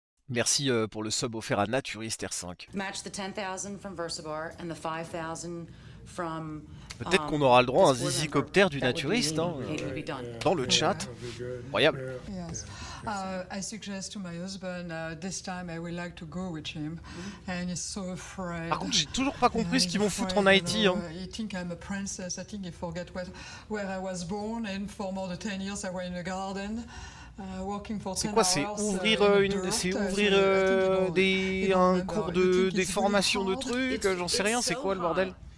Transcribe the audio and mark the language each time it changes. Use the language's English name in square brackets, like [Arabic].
[French] Merci pour le sub offert à Naturiste R5. [English] Match the 10,000 from Versabar and the 5,000 from. [French] Peut-être qu'on aura le droit à un zizicoptère du Naturiste, hein, dans le chat. Incroyable. [English] Yes. I suggest to my husband this time I would like to go with him and he's so afraid. [French] Par contre, j'ai toujours pas compris ce qu'ils vont foutre en Haïti, hein. [English] He think I'm a princess. I think he forget where I was born and for more than 10 years I was in a garden. [French] C'est quoi, c'est ouvrir des formations de trucs, j'en sais rien, c'est quoi le bordel?